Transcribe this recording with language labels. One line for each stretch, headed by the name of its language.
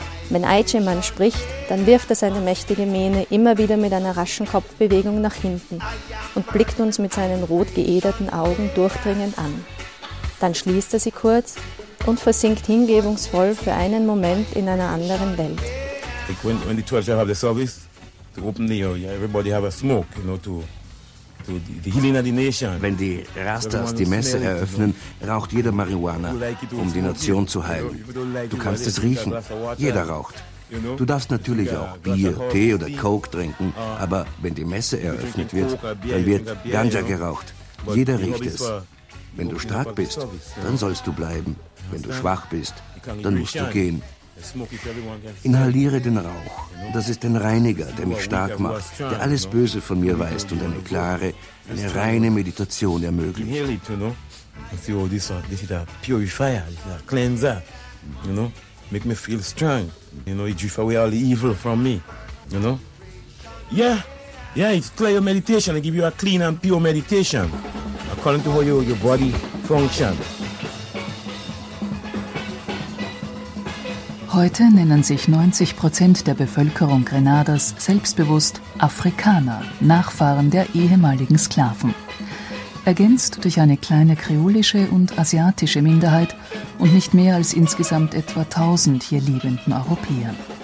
German: Wenn Aichemann spricht, dann wirft er seine mächtige Mähne immer wieder mit einer raschen Kopfbewegung nach hinten und blickt uns mit seinen rot geäderten Augen durchdringend an. Dann schließt er sie kurz und versinkt hingebungsvoll für einen Moment in einer anderen Welt.
English: Like when the 12 have the service, to open the, everybody have a smoke, you know, to the healing of the nation.
German: Wenn die Rastas die Messe eröffnen, raucht jeder Marihuana, um die Nation zu heilen. Du kannst es riechen, jeder raucht. Du darfst natürlich auch Bier, Tee oder Coke trinken, aber wenn die Messe eröffnet wird, dann wird Ganja geraucht. Jeder riecht es. Wenn du stark bist, dann sollst du bleiben. Wenn du schwach bist, dann musst du gehen. Inhaliere den Rauch. Das ist ein Reiniger, der mich stark macht, der alles Böse von mir weist und eine klare, eine reine Meditation ermöglicht.
English: This is a purifier, a cleanser. You know, make me feel strong. You know, it drifts away all the evil from me. You know, yeah, it's clear meditation. I give you a clean and pure meditation according to how your body functions.
German: Heute nennen sich 90% der Bevölkerung Grenadas selbstbewusst Afrikaner, Nachfahren der ehemaligen Sklaven. Ergänzt durch eine kleine kreolische und asiatische Minderheit und nicht mehr als insgesamt etwa 1000 hier lebenden Europäern.